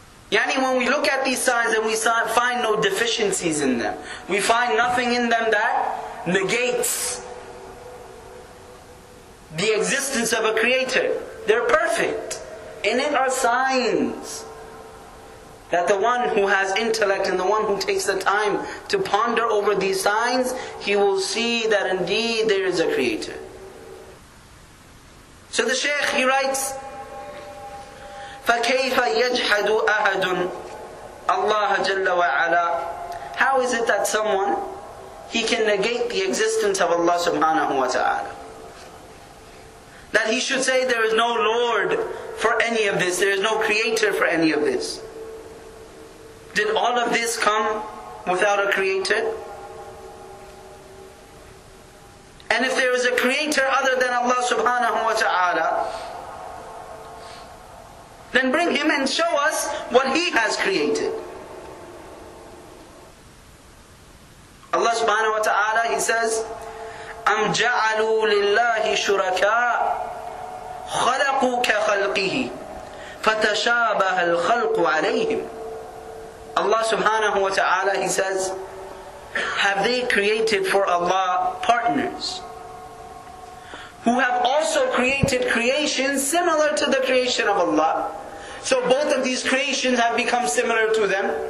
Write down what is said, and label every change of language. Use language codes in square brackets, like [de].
[en] Yani, when we look at these signs and we find no deficiencies in them, we find nothing in them that negates the existence of a creator. They're perfect. In it are signs that the one who has intellect and the one who takes the time to ponder over these signs, he will see that indeed there is a creator. So the Shaykh, he writes, [ar] فَكَيْفَ يَجْحَدُ أَهَدٌ اللَّهَ جَلَّ وَعَلَىٰ. [en] How is it that someone, he can negate the existence of Allah subhanahu wa ta'ala? That he should say there is no Lord for any of this, there is no creator for any of this. Did all of this come without a creator? And if there is a creator other than Allah subhanahu wa ta'ala, then bring him and show us what he has created. [ar] Allah subhanahu wa ta'ala, [en] he says, [ar] أَمْ جَعَلُوا لِلَّهِ شُرَكَاءَ خَلَقُوا كَخَلْقِهِ فَتَشَابَهَ الْخَلْقُ عَلَيْهِمْ. [en] Allah subhanahu wa ta'ala, he says, have they created for Allah partners who have also created creations similar to the creation of Allah? So both of these creations have become similar to them.